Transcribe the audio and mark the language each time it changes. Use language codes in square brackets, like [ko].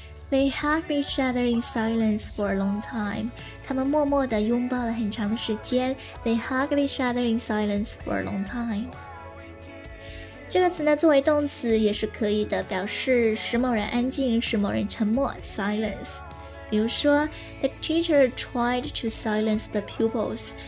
[en] They hugged each other in silence for a long time. [zh] 他们默默地拥抱了很长的时间。 [en] They hugged each other in silence for a long time. [zh] 这个词呢作为动词也是可以的，表示使某人安静，使某人沉默， silence。比如说 [en] The teacher tried to silence the pupils.